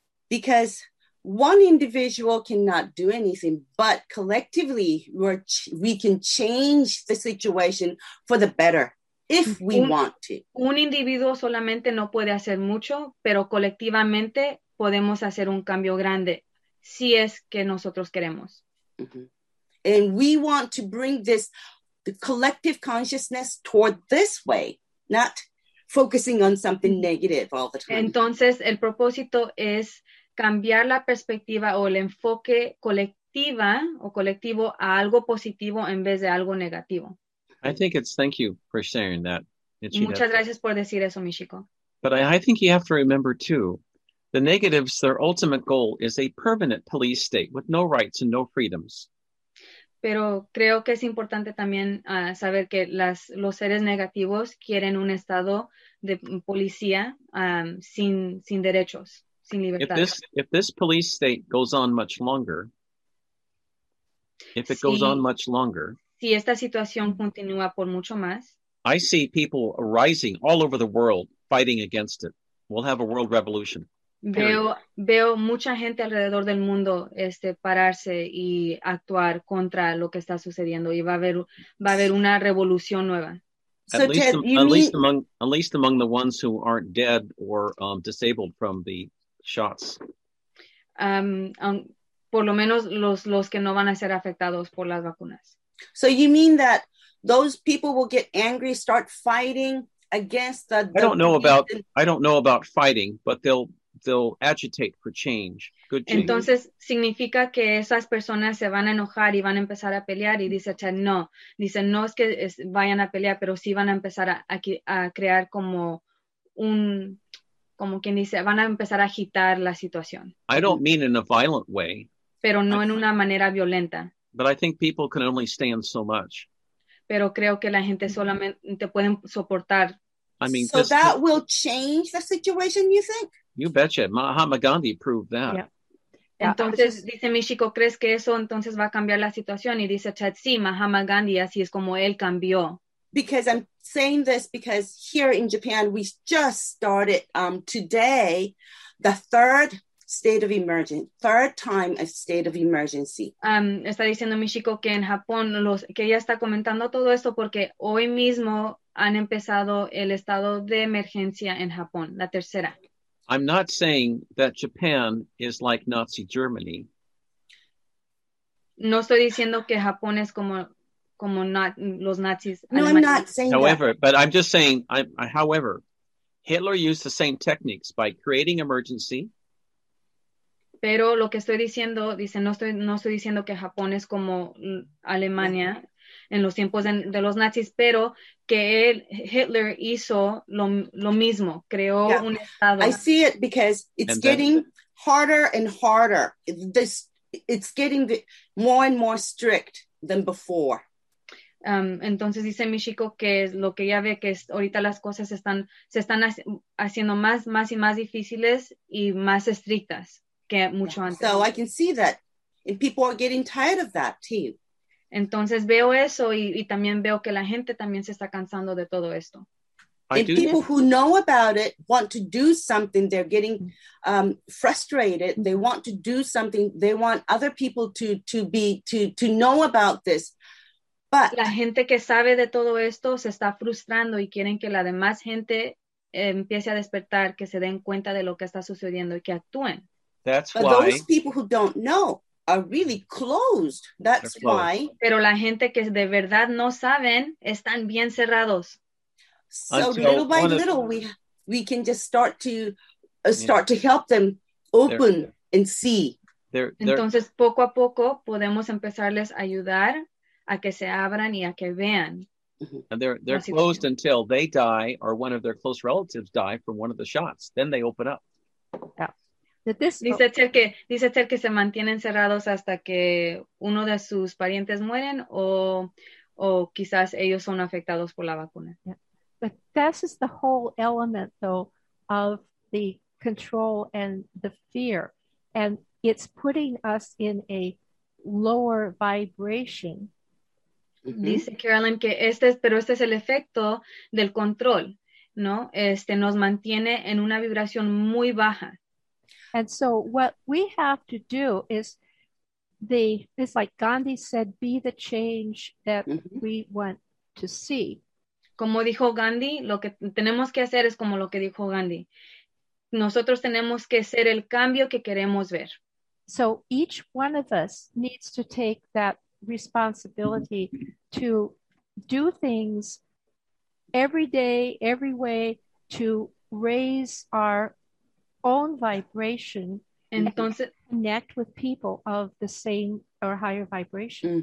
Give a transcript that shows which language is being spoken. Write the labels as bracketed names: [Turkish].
[English] Because one individual cannot do anything, but collectively we can change the situation for the better if we want to. [Spanish] Un individuo solamente no puede hacer mucho, pero colectivamente podemos hacer un cambio grande si es que nosotros queremos. Mm-hmm. [English] And we want to bring the collective consciousness toward this way, not focusing on something negative all the time. [Spanish] Entonces el propósito es cambiar la perspectiva o el enfoque colectiva o colectivo a algo positivo en vez de algo negativo. [English] I think it's thank you for sharing that. [Spanish] Muchas gracias por decir eso, mi chico. [English] But I think you have to remember too, the negatives, their ultimate goal is a permanent police state with no rights and no freedoms. [Spanish] Pero creo que es importante también saber que los seres negativos quieren un estado de policía sin derechos. [English] If this police state goes on much longer, if it goes on much longer, [Spanish] si esta situación continúa por mucho más, [English] I see people rising all over the world fighting against it. We'll have a world revolution. [Spanish] Veo mucha gente alrededor del mundo pararse y actuar contra lo que está sucediendo y va a haber una revolución nueva. [English] At least among the ones who aren't dead or disabled from the shots. [Spanish] Por lo menos los que no van a ser afectados por las vacunas. [English] So you mean that those people will get angry, start fighting against the I don't know about fighting, but they'll agitate for change. Good change. [Spanish] Entonces significa que esas personas se van a enojar y van a empezar a pelear y dice Chad, no. Dice no es que vayan a pelear, pero sí van a empezar a crear como un como quien dice, van a empezar a agitar la situación. [English] I don't mean in a violent way. [Spanish] Pero no en una manera violenta. [English] But I think people can only stand so much. [Spanish] Pero creo que la gente solamente pueden soportar. [English] I mean, so that will change the situation, you think? You betcha. Mahatma Gandhi proved that. Yeah. [Spanish] Entonces, dice Michiko, ¿crees que eso entonces va a cambiar la situación? Y dice Chad, sí, Mahatma Gandhi, así es como él cambió. [English] Because I'm saying this because here in Japan, we just started today, the third state of emergency, third time a state of emergency. [Spanish] Está diciendo Michiko que en Japón, que ella está comentando todo esto porque hoy mismo han empezado el estado de emergencia en Japón, la tercera. [English] I'm not saying that Japan is like Nazi Germany. [Spanish] No estoy diciendo que Japón es como not, los Nazis. No, Alemania. [English] I'm not saying however, that. But I'm just saying, however, Hitler used the same techniques by creating emergency. [Spanish] Pero lo que estoy diciendo, dice, no estoy diciendo que Japón es como Alemania en los tiempos de los nazis, pero que él, Hitler hizo lo mismo, creó un estado. [English] I see it because it's getting harder and harder. It's getting more and more strict than before. [Spanish] Entonces dice Michiko que lo que ya ve que es, ahorita las cosas se están haciendo más y más difíciles y más estrictas que mucho antes. [English] So I can see that and people are getting tired of that too. [Spanish] Entonces veo eso y también veo que la gente también se está cansando de todo esto. [English] And people who know about it want to do something. They're getting frustrated. They want to do something. They want other people to know about this. But [Spanish] la gente que sabe de todo esto se está frustrando y quieren que la demás gente empiece a despertar, que se den cuenta de lo que está sucediendo y que actúen. [English] That's but why those people who don't know are really closed. That's closed. Why. [Spanish] Pero la gente que de verdad no saben están bien cerrados. [English] So until little by little, we can just start to start to help them open and see. [Spanish] Entonces poco a poco podemos empezarles a ayudar a que se abran y a que vean. [English] And they're closed until they die or one of their close relatives die from one of the shots. Then they open up. Yeah. [Spanish] Dice Ter que se mantienen cerrados hasta que uno de sus parientes mueren o quizás ellos son afectados por la vacuna. Yeah. [English] But this is the whole element, though, of the control and the fear. And it's putting us in a lower vibration. Mm-hmm. [Spanish] Dice Carolyn que este es el efecto del control, ¿no? Este nos mantiene en una vibración muy baja. [English] And so what we have to do is it's like Gandhi said, be the change that we want to see. [Spanish] Como dijo Gandhi, lo que tenemos que hacer es como lo que dijo Gandhi. Nosotros tenemos que ser el cambio que queremos ver. [English] So each one of us needs to take that responsibility to do things every day, every way to raise our own vibration [Spanish] entonces, [English] and connect with people of the same or higher vibration.